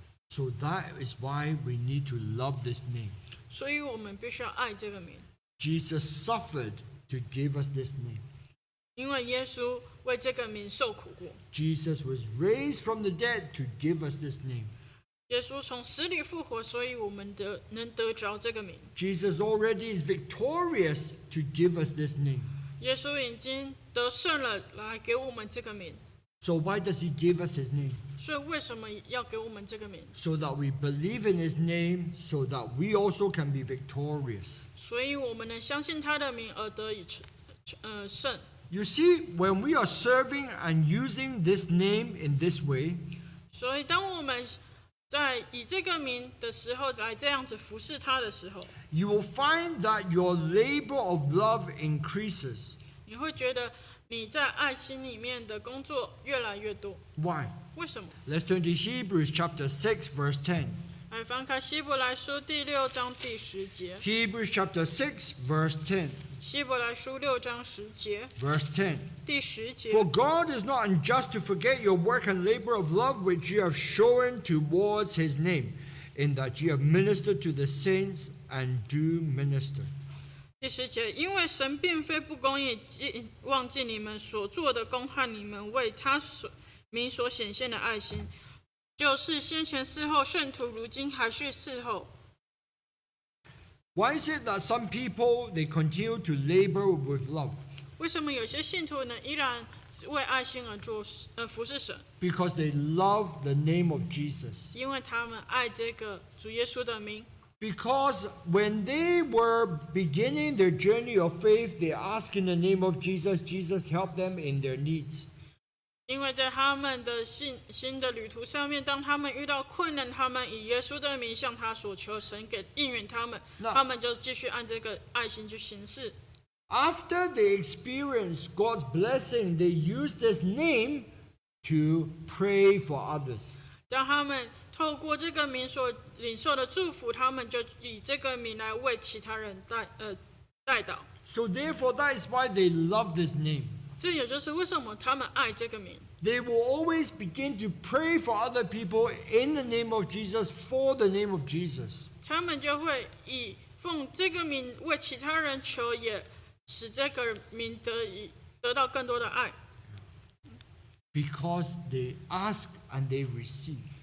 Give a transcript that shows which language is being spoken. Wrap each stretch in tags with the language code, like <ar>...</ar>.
<en>So that is why we need to love this name.</en> <zh>所以我们必须要爱这个名。</zh> <en>Jesus suffered to give us this name.</en> <zh>因为耶稣为这个名受苦过。</zh> <en>Jesus was raised from the dead to give us this name.</en> <zh>耶稣从死里复活，所以我们能得着这个名。</zh> <en>Jesus already is victorious to give us this name.</en> <zh>耶稣已经得胜了，来给我们这个名。</zh> <en>So why does he give us his name?</en> <zh>所以为什么要给我们这个名？</zh> <en>So that we believe in his name, so that we also can be victorious.</en> <zh>所以我们能相信他的名而得以胜。</zh> <en>You see, when we are serving and using this name in this way,</en> <zh>所以当我们在以这个名的时候来这样子服侍他的时候</zh> <en>You will find that your labor of love increases</en> <zh>你会觉得你在爱心里面的工作越来越多</zh> <en>Why?</en> <zh>为什么</zh> <en>Let's turn to Hebrews chapter 6 verse 10</en> <zh>来翻开希伯来书第六章第十节</zh> <en>Hebrews chapter 6 verse 10</en> <zh>希伯来书六章十节</zh> <en>Verse 10</en> <zh>第十节,</zh> <en>For God is not unjust to forget your work and labor of love which you have shown towards his name, in that you have ministered to the saints and do minister.</en> <zh>第十节，因为神并非不公义，忘记你们所做的功和你们为他名所显现的爱心，就是先前侍候圣徒，如今还是侍候。</zh> <en>Why is it that some people they continue to labor with love?</en> <zh>为什么有些信徒呢依然为爱心而做服侍神</zh> <en>Because they love the name of Jesus.</en> <zh>因为他们爱这个主耶稣的名</zh> <en>Because when they were beginning their journey of faith, they asked in the name of Jesus, Jesus help them in their needs.</en> <zh>因为在他们的信心的旅途上面，当他们遇到困难，他们以耶稣的名向他所求，神给应允他们， Now, 他们就继续按这个爱心去行事。</zh> <en>After they experience God's blessing, they use this name to pray for others.</en> <zh>当他们透过这个名所领受的祝福，他们就以这个名来为其他人代祷。</zh> <en>So therefore, that is why they love this name.</en> <zh>这也就是为什么他们爱这个名。</zh> <en>They will always begin to pray for other people in the name of Jesus, for the name of Jesus.</en> <zh>他们就会以奉这个名为其他人求也。使这个名得到更多的爱</zh> <en>Because they ask and they receive</en>